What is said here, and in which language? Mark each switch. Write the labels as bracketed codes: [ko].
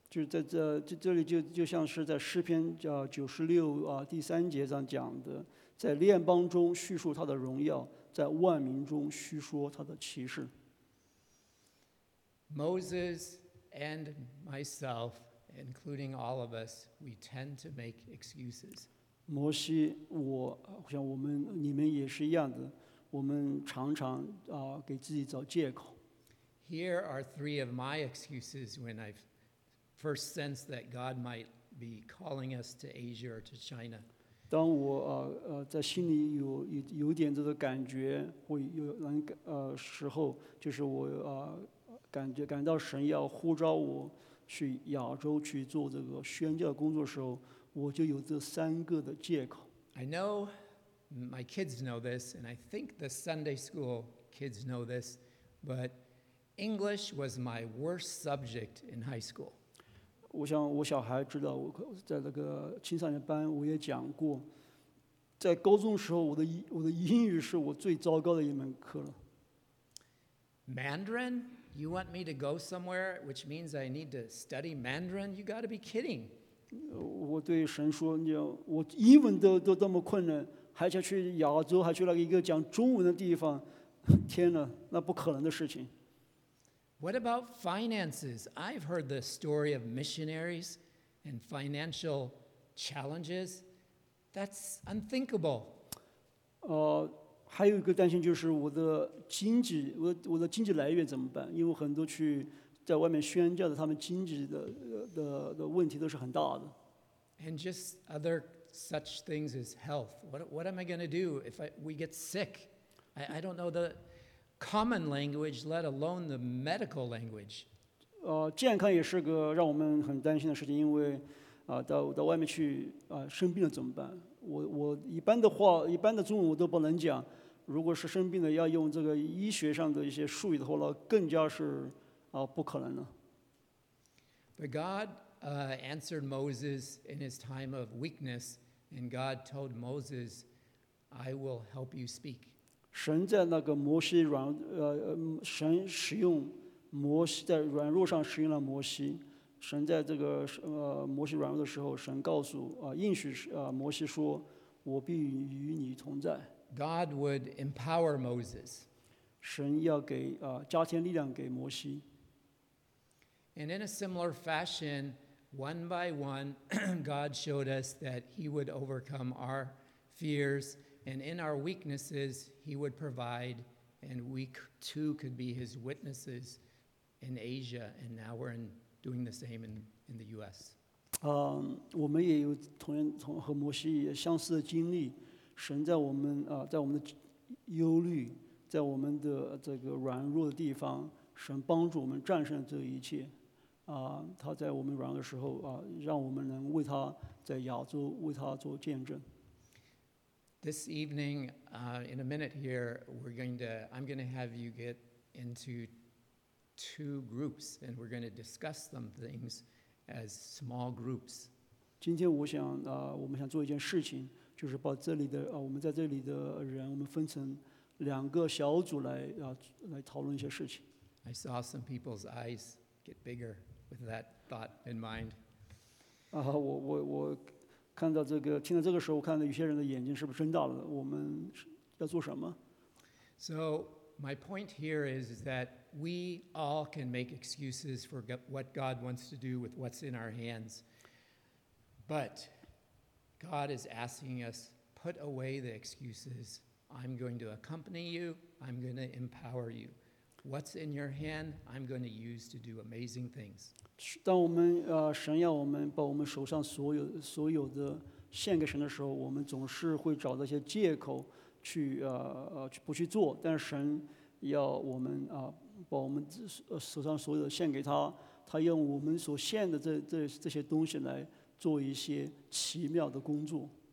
[zh] 就在这里就像是在诗篇96第三节上讲的，在列邦中叙述他的荣耀，在万民中叙说他的奇事。 [en] Moses. And myself, including all of us, we tend to make excuses. [zh] 摩西，我像我们，你们也是一样的。我们常常给自己找借口。 [en] Here are three of my excuses when I first sensed that God might be calling us to Asia or to China. [zh] 当我在心里有点这个感觉，或有人时候，就是我感到神要呼召我去亚洲去做这个宣教工作的时候，我就有这三个的借口。 [en] I know my kids know this, and I think the Sunday school kids know this, but English was my worst subject in high school. [zh] 我想我小孩知道，我在那个青少年班我也讲过，在高中的时候，我的英语是我最糟糕的一门课了。 [en] Mandarin? You want me to go somewhere, which means I need to study Mandarin? You got to be kidding. [zh] 我对神说，我英文都这么困难，还想去亚洲，还去那个一个讲中文的地方，天哪，那不可能的事情。 [en] What about finances? I've heard the story of missionaries and financial challenges. That's unthinkable. [zh] 还有一个担心就是我的经济来源怎么办？因为很多去在外面宣教的，他们经济的问题都是很大的。 [en] And just other such things as health. What am I going to do if we get sick? I don't know the common language, let alone the medical language. [zh] 健康也是个让我们很担心的事情，因为到外面去生病了怎么办？我一般的话，一般的中文我都不能讲。如果是生病的，要用这个医学上的一些术语的话，那更加是不可能了。 [en] But God answered Moses in his time of weakness, and God told Moses, "I will help you speak." [zh] 神在那个摩西软神使用摩西在软弱上使用了摩西。神在这个摩西软弱的时候，神告诉应许摩西说，我必与你同在。 [en] God would empower Moses. [zh] 神要给加添力量给摩西。 [en] And in a similar fashion, one by one, God showed us that He would overcome our fears, and in our weaknesses, He would provide, and we too could be His witnesses in Asia. And now we're doing the same in the U.S. [zh] 我们也有同和摩西也相似的经历。神在我们在我们的忧虑，在我们的这个软弱的地方，神帮助我们战胜这一切。他在我们软弱的时候让我们能为他在亚洲为他做见证。 [en] This evening, in a minute here, I'm going to have you get into two groups, and we're going to discuss some things as small groups. [zh] 今天我想，我们想做一件事情，就是把这里的，我们在这里的人，我们分成两个小组来，来讨论一些事情。 [en] I saw some people's eyes get bigger with that thought in mind. [zh] 我看到这个，听到这个时候，我看到有些人的眼睛是不是睁大了？我们要做什么 [en] ？So my point here is that we all can make excuses for what God wants to do with what's in our hands, but God is asking us put away the excuses. I'm going to accompany you. I'm going to empower you. What's in your hand? I'm going to use to do amazing things. [zh] 当我们神要我们把我们手上所有的献给神的时候，我们总是会找到一些借口去不去做。但是神要我们把我们手上所有的献给他，他用我们所献的这些东西来做一些奇妙的工作。